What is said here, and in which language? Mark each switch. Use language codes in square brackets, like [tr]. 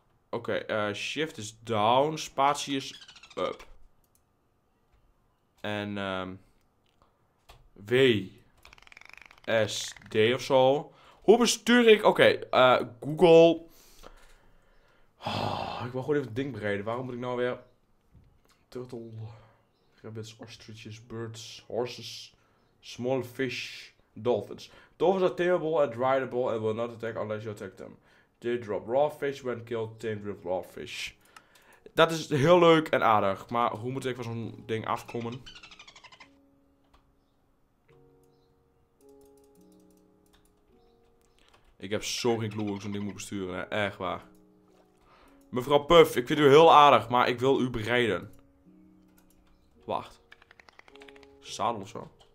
[nl] Oké, [en] shift is down. [nl] Spatie is up. En W, S, D of zo. Hoe bestuur ik? Oké, Google. Oh, ik wil gewoon even het ding bereiden. Waarom moet ik nou weer... [en] Turtle, rabbits, ostriches, birds, horses, small fish, dolphins. Dolphins are tameable and rideable and will not attack unless you attack them. They drop raw fish when killed, tamed with raw fish. [nl] Dat is heel leuk en aardig, maar hoe moet ik van zo'n ding afkomen? Ik heb zo geen clue hoe ik zo'n ding moet besturen, hè. Echt waar. Mevrouw Puff, ik vind u heel aardig, maar ik wil u bereiden. Wacht. Zadel of zo?